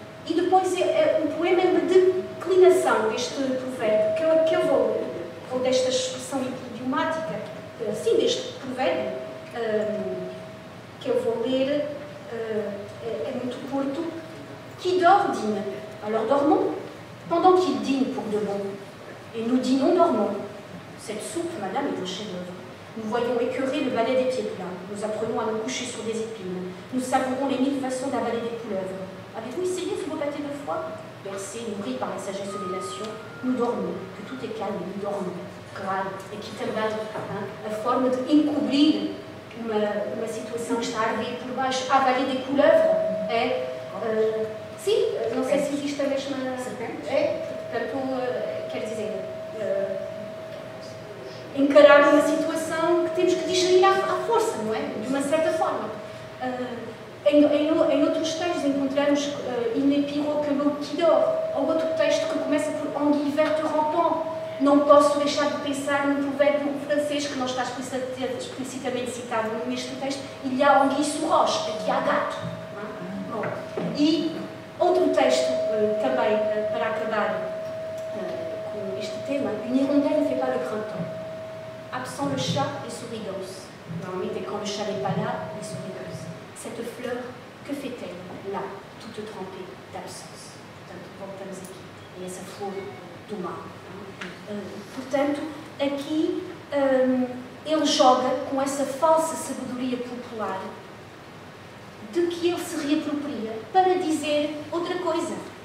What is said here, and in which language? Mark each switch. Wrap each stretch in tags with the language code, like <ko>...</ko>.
<pt>E depois o poema é uma declinação deste provérbio, que eu vou ler, ou desta expressão idiomática, assim, deste provérbio, que eu vou ler, é muito curto.</pt> <fr>Qui dort dîne. Alors dormons, pendant qu'il dîne pour de bon. Et nous dînons dormons. Cette soupe, madame, est un chef-d'œuvre. Nous voyons écœurer le balai des pieds plats. Nous apprenons à nous coucher sur des épines. Nous savourons les mille façons d'avaler des couleuvres. Avez-vous essayé ce beau pâté de foie? Bercé, nourri par la sagesse des nations, nous dormons, que tout est calme, nous dormons.</fr> <pt>Grave, equitabal, a forma de encobrir uma situação que está a vir por baixo.</pt> <fr>Avaler des couleuvres é.</fr> <pt>Sim, não sei se existe a mesma. Serpente? É, portanto, quer dizer. Encarar uma situação que temos que digerir à força, não é? De uma certa forma. Em outros textos encontramos</pt> <fr>Il n'est pire que le qui dort,</fr> <pt>ou outro texto que começa por</pt> <fr>En hiver te rampant.</fr> <pt>Não posso deixar de pensar num provérbio francês que não está explicitamente citado neste texto.</pt> <fr>Il y a anguille sous roche,</fr> <pt>aqui há gato. Não é? Bom, e outro texto também para acabar com este tema:</pt> <fr>Une hirondelle ne fait pas le printemps. Absent le chat et souris danse. Normalement, et quand le chat n'est pas là, les souris dansent. Cette fleur, que fait-elle là, toute trempée d'absence?</fr> <pt>Portanto, voltamos aqui. E essa flor do mar. Portanto, aqui ele joga com essa falsa sabedoria popular de que ele se reapropria para dizer outra coisa.</pt>